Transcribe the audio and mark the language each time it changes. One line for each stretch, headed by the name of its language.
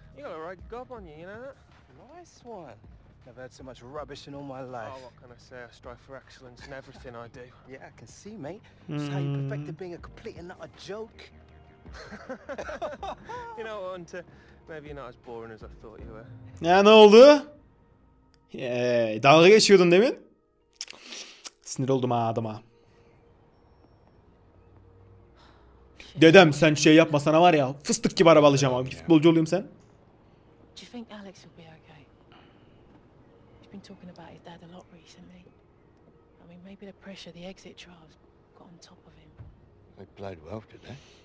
English: You got a right gob on you, you know that? Nice one. Never heard so much rubbish in all my life. Oh, what can I say? I strive for excellence in everything I do. Yeah, I can see, mate. That's how you perfected being a complete and utter joke. You know what, Hunter? Maybe you're not as boring as I thought you were.
Turkish: Ya ne oldu? Dalga geçiyordun demin. Sinir oldum adama. Dedem sen şey yapma sana var ya fıstık gibi araba alacağım abi. Futbolcu olayım sen.
English: Do you think Alex will be okay? He's been talking about his dad a lot recently. I mean maybe the pressure the exit trials got on top of him. They played well today.